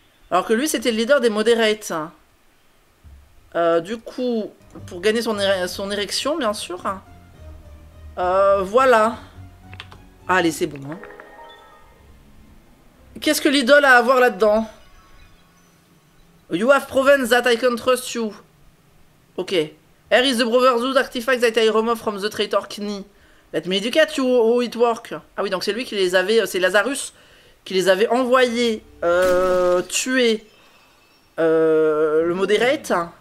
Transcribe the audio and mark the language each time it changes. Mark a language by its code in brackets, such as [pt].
[fr] Alors que lui, c'était le leader des moderates. Du coup, pour gagner son érection, bien sûr. Voilà. Allez, c'est bon. Hein. Qu'est-ce que l'idole a à voir là-dedans? [en] You have proven that I can trust you. Ok. Here is the Brotherhood artifact that I removed from the traitor Kni. Let me educate you how it works. [fr] Ah oui, donc c'est lui qui les avait. C'est Lazarus qui les avait envoyés tuer le moderate.